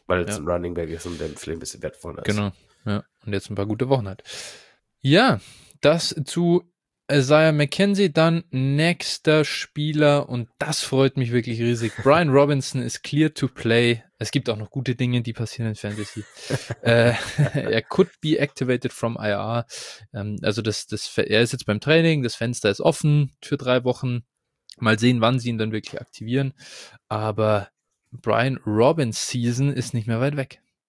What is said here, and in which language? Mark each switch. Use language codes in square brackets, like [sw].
[de] Weil es ein Running Back ist und der vielleicht ein bisschen wertvoller ist. Genau, und jetzt ein paar gute Wochen hat. Ja, das zu Isaiah McKenzie, dann nächster Spieler und das freut mich wirklich riesig. Brian Robinson ist [en] clear to play. [de] Es gibt auch noch gute Dinge, die passieren in Fantasy. er [en] could be activated from IR. [de] Also er ist jetzt beim Training, das Fenster ist offen für 3 Wochen. Mal sehen, wann sie ihn dann wirklich aktivieren. Aber Brian Robinson Season ist nicht mehr weit weg.